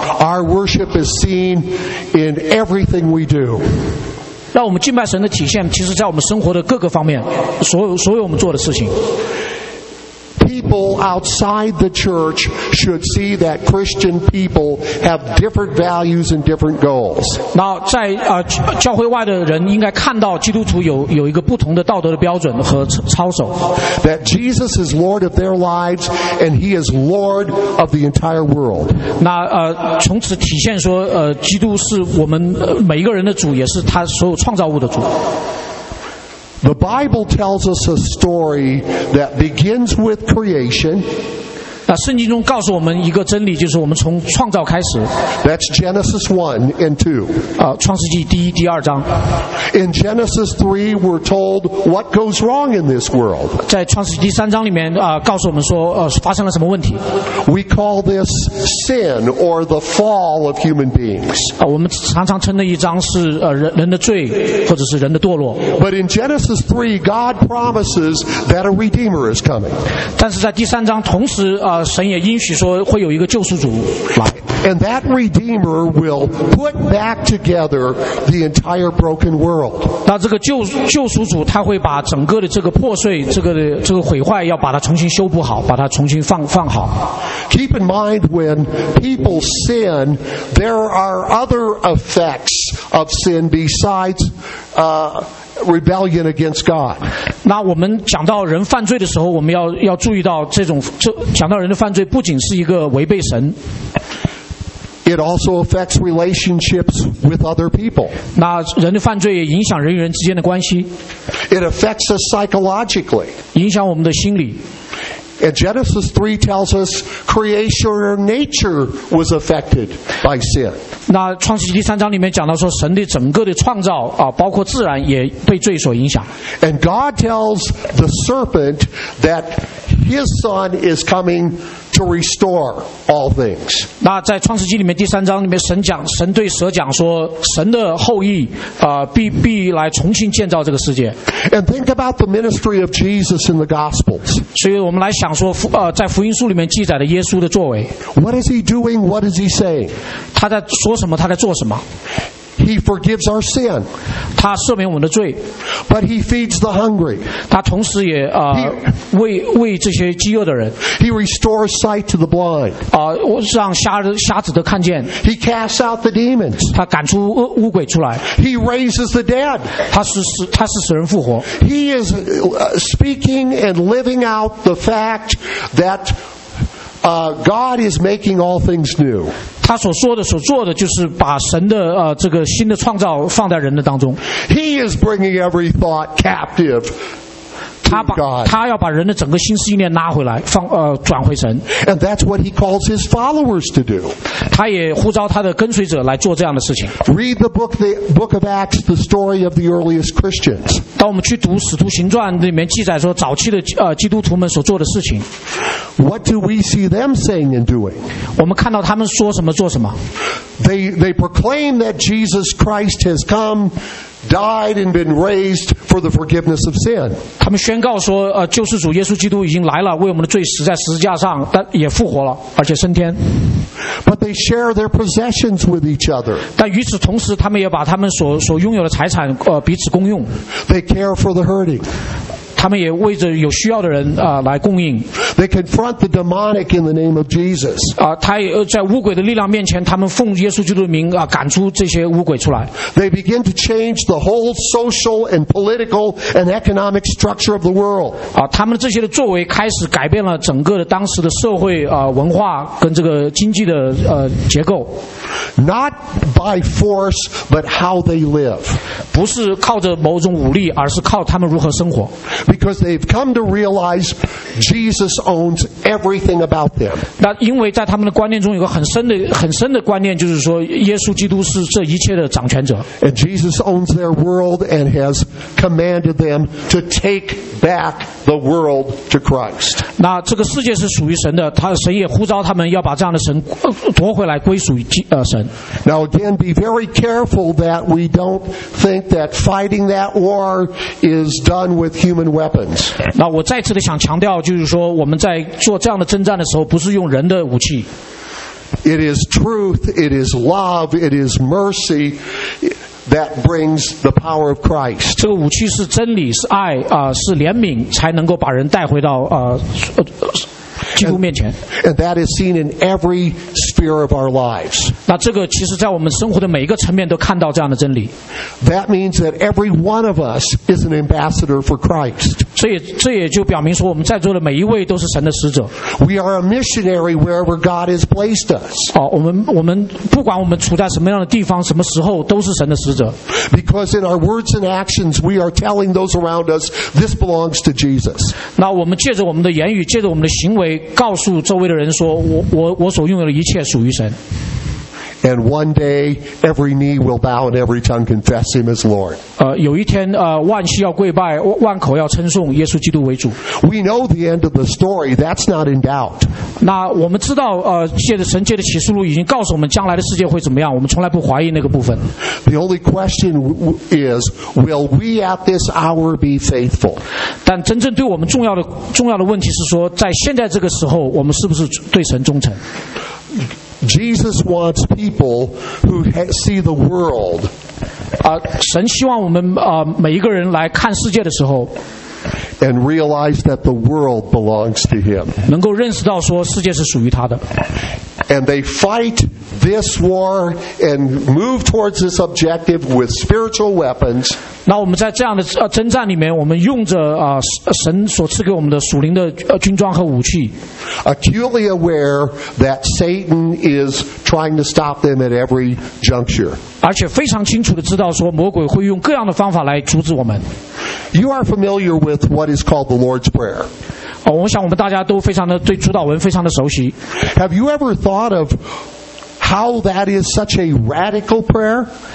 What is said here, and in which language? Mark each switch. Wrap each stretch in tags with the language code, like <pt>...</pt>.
<en>Our worship is seen in everything we do.</en> <zh>那我们敬拜神的体现，其实在我们生活的各个方面，所有我们做的事情。</zh> <en>People outside the church should see that Christian people have different values and different goals.</en> <zh>那在啊、教会外的人应该看到基督徒有一个不同的道德的标准和操守。</zh> <en>That Jesus is Lord of their lives and He is Lord of the entire world.</en> <zh>那从此体现说基督是我们每一个人的主，也是他所有创造物的主。</zh> <en>The Bible tells us a story that begins with creation.</en> <zh>那圣经中告诉我们一个真理，就是我们从创造开始。</zh> <en>That's Genesis 1 and 2.</en> <zh>创世纪第一、第二章。</zh> <en>In Genesis 3, we're told what goes wrong in this world.</en> <zh>在创世纪第三章里面，告诉我们说，发生了什么问题。</zh> <en>We call this sin or the fall of human beings.</en> <zh>我们常常称那一章是人的罪，或者是人的堕落。</zh> <en>But in Genesis 3, God promises that a Redeemer is coming.</en> <zh>但是在第三章同时，神也应许说会有一个救赎主来。</zh> <en>And that Redeemer will put back together the entire broken world.</en> <zh>那这个救赎主他会把整个的这个破碎，这个毁坏，要把它重新修补好，把它重新放好。</zh> <en>Keep in mind when people sin, there are other effects of sin besides, rebellion against God.</en> <zh>那我们讲到人犯罪的时候，我们要注意到讲到人的犯罪不仅是一个违背神。</zh> <en>It also affects relationships with other people.</en> <zh>那人的犯罪也影响人与人之间的关系。</zh> <en>It affects us psychologically.</en> <zh>影响我们的心理。</zh> <en>And Genesis 3 tells us creation or nature was affected by sin.</en> <zh>那创世纪第三章里面讲到说神的整个的创造啊，包括自然也被罪所影响。</zh> <en>And God tells the serpent that his son is coming to restore all things.</en> <zh>那在创世纪里面第三章里面神对蛇讲说神的后裔必来重新建造这个世界。</zh> <en>And think about the ministry of Jesus in the Gospels.</en> <zh>所以我们来想说在福音书里面记载的耶稣的作为。</zh> <en>What is he doing? What is he saying?</en> <zh>他在说什么？他在做什么？</zh> <en>He forgives our sin.</en> <zh>他赦免我们的罪。</zh> <en>But he feeds the hungry.</en> <zh>他同时也喂这些饥饿的人。</zh> <en>He restores sight to the blind.</en> <zh>让瞎子都看见。</zh> <en>He casts out the demons.</en> <zh>他赶出污鬼出来。</zh> <en>He raises the dead.</en> <zh>他是使人复活。</zh> <en>He is speaking and living out the fact that God is making all things new.</en> <zh>他所说的、所做的，就是把神的这个新的创造放在人的当中。</zh> <en>He is bringing every thought captive to God.</en> <zh>他要把人的整个心思意念拉回来，转回神。</zh> <en>And that's what he calls his followers to do.</en> <zh>他也呼召他的跟随者来做这样的事情。</zh> <en>Read the book of Acts, the story of the earliest Christians.</en> <zh>当我们去读《使徒行传》里面记载说早期的基督徒们所做的事情。</zh> <en>What do we see them saying and doing?</en> <zh>我们看到他们说什么做什么。</zh> <en>They proclaim that Jesus Christ has come, died and been raised for the forgiveness of sin.</en> <zh>他们宣告说，救世主耶稣基督已经来了，为我们的罪死在十字架上，但也复活了，而且升天。</zh> <en>But they share their possessions with each other.</en> <zh>但与此同时，他们也把他们所拥有的财产，彼此共用。</zh> <en>They care for the hurting.</en> <zh>他们也为着有需要的人来供应。</zh> <en>They confront the demonic in the name of Jesus.</en> <zh>他也在污鬼的力量面前，他们奉耶稣基督的名赶出这些污鬼出来。</zh> <en>They begin to change the whole social and political and economic structure of the world.</en> <zh>他们这些的作为开始改变了整个的当时的社会文化跟这个经济的结构。</zh> <en>Not by force, but how they live.</en> <zh>不是靠着某种武力，而是靠他们如何生活。</zh> <en>Because they've come to realize Jesus owns everything about them.</en> <zh>那因为在他们的观念中有个很深的观念，就是说耶稣基督是这一切的掌权者。</zh> <en>And Jesus owns their world and has commanded them to take back the world to Christ.</en> <zh>那这个世界是属于神的，他神也呼召他们要把这样的神夺回来归属于神。</zh> <en>Now again, be very careful that we don't think that fighting that war is done with human weapons.</en> <zh>那我再次的想强调，就是说我们在做这样的征战的时候，不是用人的武器。</zh> <en>It is truth, it is love, it is mercy that brings the power of Christ.</en> <zh>这个武器是真理，是爱，是怜悯，才能够把人带回到基督面前。</zh> <en>And that is seen in every sphere of our lives.</en> <zh>那这个其实在我们生活的每一个层面都看到这样的真理。</zh> <en>That means that every one of us is an ambassador for Christ.</en> <zh>这也就表明说我们在座的每一位都是神的使者。</zh> <en>We are a missionary wherever God has placed us.</en> <zh>我们不管我们处在什么样的地方，什么时候都是神的使者。</zh> <en>Because in our words and actions, we are telling those around us, this belongs to Jesus.</en> <zh>那我们借着我们的言语，借着我们的行为，告诉周围的人说 我所拥有的一切属于神。</zh> <en>And one day every knee will bow and every tongue confess him as Lord.</en> <zh>有一天万膝要跪拜，万口要称颂耶稣基督为主。</zh> <en>We know the end of the story, that's not in doubt.</en> <zh>那我们知道借着神借着启示录已经告诉我们将来的世界会怎么样，我们从来不怀疑那个部分。</zh> <en>The only question is, will we at this hour be faithful?</en> <zh>但真正对我们重要的问题是说，在现在这个时候，我们是不是对神忠诚？</zh> <en>Jesus wants people who see the world.</en> <zh>神希望我们每一个人来看世界的时候，</zh> <en>and realize that the world belongs to him.</en> <zh>能够认识到说世界是属于他的。</zh> <en>And they fight this war and move towards this objective with spiritual weapons.</en> <zh>那我们在这样的征战里面，我们用着神所赐给我们的属灵的军装和武器。</zh> <en>Acutely aware that Satan is trying to stop them at every juncture.</en> <zh>而且非常清楚地知道说魔鬼会用各样的方法来阻止我们。</zh> <en>You are familiar with what is called the Lord's Prayer.</en> <zh>我想我们大家都非常的对主祷文非常的熟悉。</zh> <en>Have you ever thought of how that is such a radical prayer?</en>